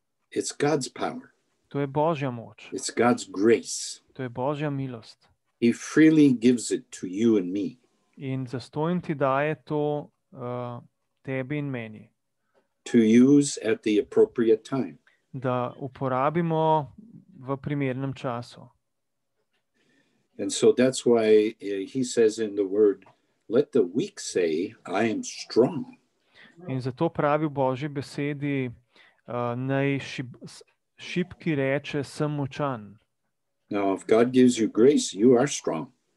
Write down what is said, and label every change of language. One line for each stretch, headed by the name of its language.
English: It's God's power.
Slovenian: To je Božja moč.
English: It's God's grace.
Slovenian: To je Božja milost.
English: He freely gives it to you and me.
Slovenian: In zastojn ti daje to tebi in meni.
English: To use at the appropriate time.
Slovenian: Da uporabimo v primernem času.
English: And so that's why he says in the word, let the weak say, I am strong.
Slovenian: In zato pravi v Božji besedi, naj šibki reče, sem močan.
English: Now, if God gives you grace, you are strong.